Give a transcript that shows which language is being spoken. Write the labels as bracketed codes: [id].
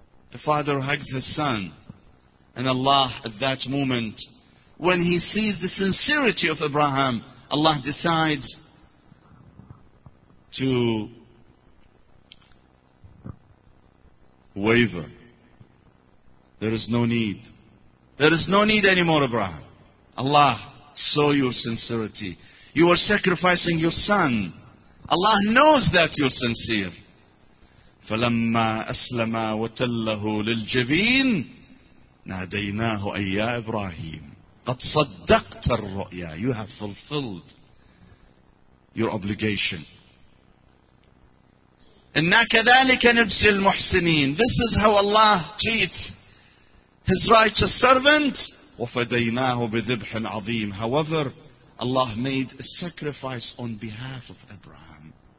[en] The father hugs his son. And Allah at that moment, when he sees the sincerity of Abraham, Allah decides to waver. There is no need. There is no need anymore, Abraham. Allah saw your sincerity. You are sacrificing your son. Allah knows that you're sincere. [ar] فَلَمَّا أَسْلَمَا وَتَلَّهُ لِلْجَبِينَ نَادَيْنَاهُ أَيَّا إِبْرَاهِيمُ قَدْ صَدَّقْتَ الرُّؤْيَا [en] You have fulfilled your obligation. [ar] إِنَّا كَذَلِكَ نُجْزِي الْمُحْسِنِينَ [en] This is how Allah treats His righteous servant. [ar] وَفَدَيْنَاهُ بِذِبْحٍ عَظِيمٍ [en] However, Allah made a sacrifice on behalf of Abraham.